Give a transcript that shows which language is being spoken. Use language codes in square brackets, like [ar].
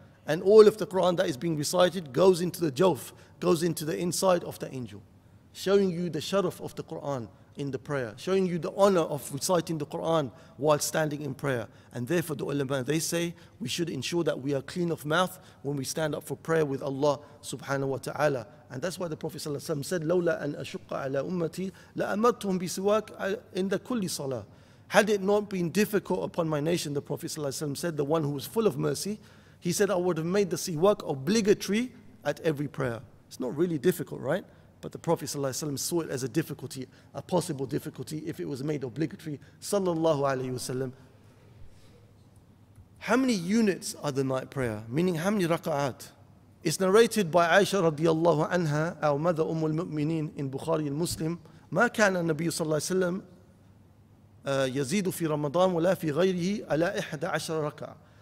[en] And all of the Quran that is being recited goes into the jawf, goes into the inside of the angel, showing you the sharaf of the Quran in the prayer, showing you the honor of reciting the Quran while standing in prayer. And therefore the ulama, they say, we should ensure that we are clean of mouth when we stand up for prayer with Allah subhanahu wa ta'ala. And that's why the Prophet sallallahu alaihi wasallam said, [ar] لَوْلَا أَنْ أَشُقَّ عَلَىٰ أُمَّتِي لَأَمَرْتُهُمْ بِسِوَاكَ عِنْدَ كُلِّ صَلَىٰ. [en] Had it not been difficult upon my nation, the Prophet sallallahu alaihi wasallam said, the one who was full of mercy, he said, I would have made the siwak obligatory at every prayer. It's not really difficult, right? But the Prophet ﷺ saw it as a difficulty, a possible difficulty, if it was made obligatory. Sallallahu alayhi wasallam. How many units are the night prayer? Meaning, how many raka'at? It's narrated by Aisha radiallahu anha, our mother Ummul Mu'mineen, in Bukhari and Muslim, [ar] ما كان النبي صلى الله عليه وسلم يزيد في رمضان ولا في غيره على 11 ركعة.